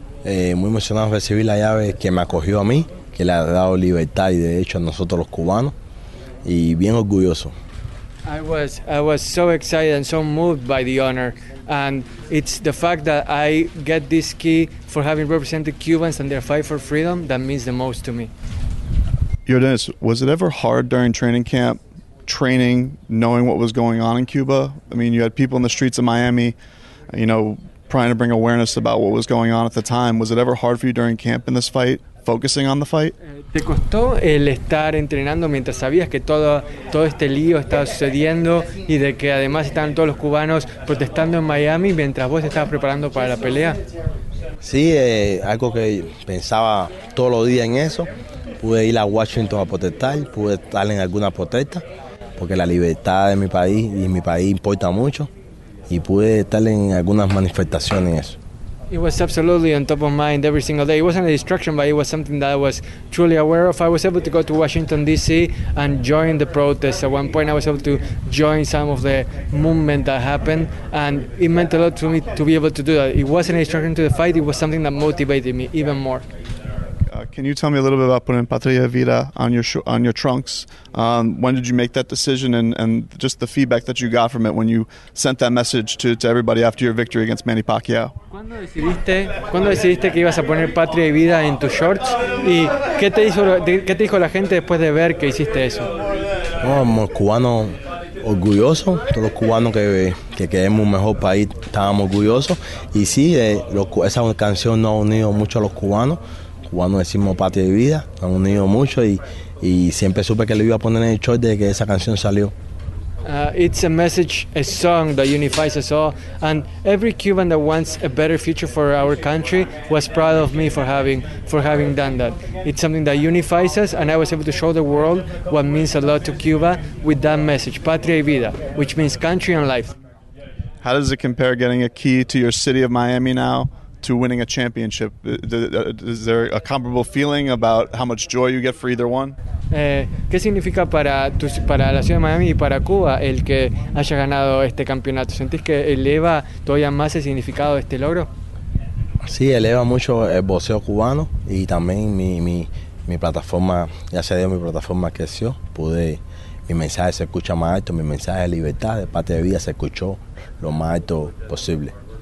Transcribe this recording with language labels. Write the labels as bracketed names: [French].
[Spanish] Muy emocionado recibir la llave que me acogió a mí, que le ha dado libertad y derecho a nosotros los cubanos, y bien orgulloso. [English] I was so excited and so moved by the honor, and it's the fact that I get this key for having represented Cubans and their fight for freedom that means the most to me. Yordanis, was it ever hard during training camp, training, knowing what was going on in Cuba? I mean, you had people in the streets of Miami, you know, trying to bring awareness about what was going on at the time. Was it ever hard for you during camp in this fight, focusing on the fight? [Spanish] ¿Te costó el estar entrenando mientras sabías que todo este lío estaba sucediendo y de que además estaban todos los cubanos protestando en Miami mientras vos estabas preparando para la pelea? Sí, algo que pensaba todos los días en eso. Pude ir a Washington a protestar, pude estar en alguna protesta, porque la libertad de mi país y mi país importa mucho, y pude estar en algunas manifestaciones en eso. [English] It was absolutely on top of mind every single day. It wasn't a distraction, but it was something that I was truly aware of. I was able to go to Washington, D.C. and join the protests. At one point, I was able to join some of the movement that happened, and it meant a lot to me to be able to do that. It wasn't a distraction to the fight. It was something that motivated me even more. Can you tell me a little bit about putting Patria Vida on your trunks? When did you make that decision, and just the feedback that you got from it when you sent that message to everybody after your victory against Manny Pacquiao? [Spanish] ¿Cuándo decidiste que ibas a poner Patria y Vida en tus shorts? ¿Y qué te dijo la gente después de ver que hiciste eso? Como cubano orgulloso, todos los cubanos que queremos un mejor país, estábamos orgullosos. Y sí, esa canción nos ha unido mucho a los cubanos. Cubanos decimos Patria y Vida, nos han unido mucho y siempre supe que lo iba a poner en el short desde que esa canción salió. [English] It's a message, a song that unifies us all, and every Cuban that wants a better future for our country was proud of me for having done that. It's something that unifies us, and I was able to show the world what means a lot to Cuba with that message, Patria y Vida, which means country and life. How does it compare getting a key to your city of Miami now to winning a championship? Is there a comparable feeling about how much joy you get for either one? [Spanish] ¿Qué significa para la ciudad de Miami y para Cuba el que haya ganado este campeonato? ¿Sentís que eleva todavía más el significado de este logro? Sí, eleva mucho el boxeo cubano y también mi plataforma, ya se dio mi plataforma creció, mi mensaje se escucha más alto, mi mensaje de libertad, de parte de vida se escuchó lo más alto posible.